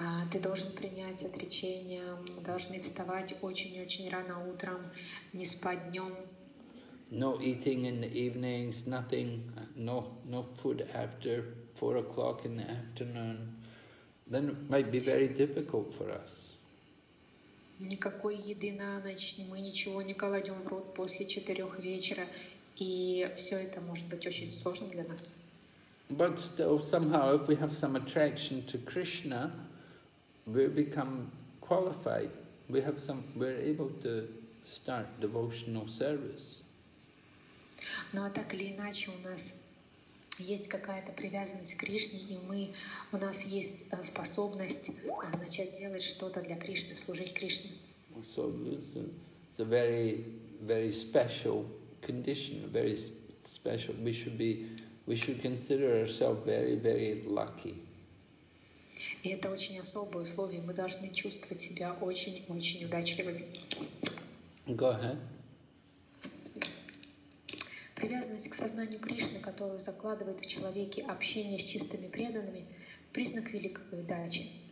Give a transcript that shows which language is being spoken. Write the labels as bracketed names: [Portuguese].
[Russian] Ты должен принять отречение, должны вставать очень-очень рано утром, не спать днем. [English] No eating in the evenings, nothing, no food after 4 o'clock in the afternoon. Then it might be very difficult for us. [Russian] Никакой еды на ночь, мы ничего не кладем в рот после 4 вечера, и все это может быть очень сложно для нас. [English] But still, somehow, if we have some attraction to Krishna, we become qualified. We're able to start devotional service. [Russian] Ну а так или иначе у нас есть какая-то привязанность к Кришне, и мы, у нас есть способность начать делать что-то для Кришны, служить Кришне. [English] So it's a very, very special condition, very special. We should consider ourselves very, very lucky. [Russian] И это очень особое условие. Мы должны чувствовать себя очень-очень удачливыми. [English] Go ahead. [Russian] Привязанность к сознанию Кришны, которую закладывает в человеке общение с чистыми преданными, признак великой удачи.